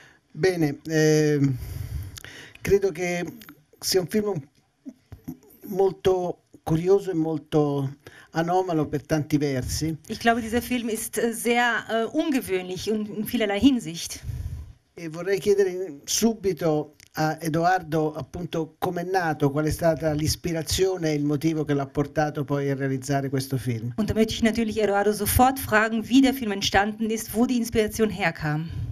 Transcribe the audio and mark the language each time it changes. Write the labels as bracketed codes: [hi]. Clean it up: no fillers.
[it] Bene, credo che sia un film molto curioso e molto anomalo per tanti versi. [de] Ich glaube, dieser Film ist sehr ungewöhnlich und in vielerlei Hinsicht. [it] E vorrei chiedere subito a Edoardo, appunto, com'è nato, qual è stata l'ispirazione e il motivo che l'ha portato poi a realizzare questo film. [de] Und da möchte ich natürlich Edoardo sofort fragen, wie der Film entstanden ist, wo die Inspiration herkam.